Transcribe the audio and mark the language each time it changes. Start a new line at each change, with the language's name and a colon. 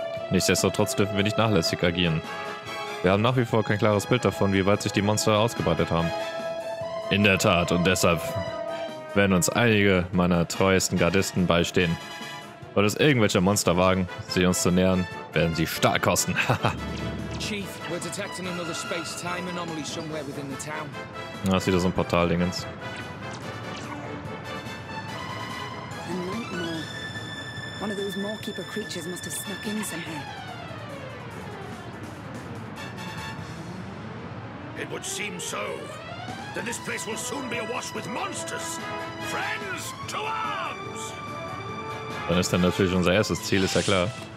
German: Nichtsdestotrotz dürfen wir nicht nachlässig agieren. Wir haben nach wie vor kein klares Bild davon, wie weit sich die Monster ausgebreitet haben. In der Tat, und deshalb werden uns einige meiner treuesten Gardisten beistehen. Wird es irgendwelche Monster wagen, sie uns zu nähern, werden sie stark kosten.
English: Chief, we're detecting another space-time anomaly somewhere within the town.
German: Das ist wieder so ein Portal-Dingens. Ein Lightmore.
English: One of those Moorkeeper creatures must have snuck in somehow. It would seem so. Then this place will soon be awash with monsters. Friends, to arms!
German: Dann ist dann natürlich unser erstes Ziel, ist ja klar.